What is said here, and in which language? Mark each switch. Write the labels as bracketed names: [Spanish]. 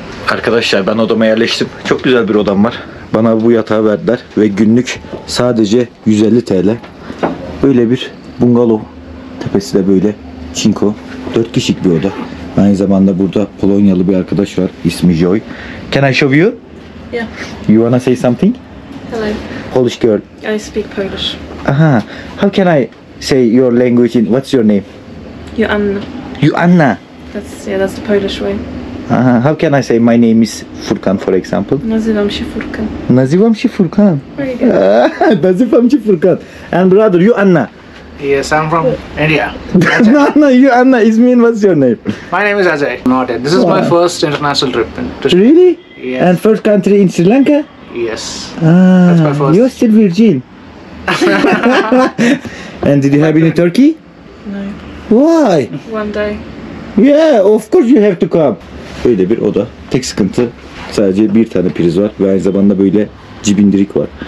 [Turkish] Arkadaşlar, ben odama yerleştim. Çok güzel bir odam var. Bana bu yatağı verdiler ve günlük sadece 150 TL. Böyle bir bungalov. Tepesi de böyle çinko. 4 kişilik bir oda. Aynı zamanda burada Polonyalı bir arkadaş var. İsmi Joy. [English] Can I show you? Yeah. You wanna say something? Hello. Polish girl. I speak Polish. Aha. How can I say your language in... What's your name? Joanna. Joanna? That's the Polish way. Aha. How can I say my name is Furkan, for example? [Polish] Nazywam się Furkan. Nazywam się Furkan. [English] Very good. [Polish] Nazywam się Furkan. [English] And brother, Joanna. Yes, I'm from India. No, you Anna is mean. What's your name? My name is Ajay. Not yet. This is my first international trip. Really? Yes. And first country in Sri Lanka? Yes. That's my first. You're still virgin. And did you have been in Turkey? No. Why? One day. Yeah, of course you have to come. [Turkish] Böyle bir oda. Tek sıkıntı sadece bir tane priz var ve aynı zamanda böyle cibindirik var.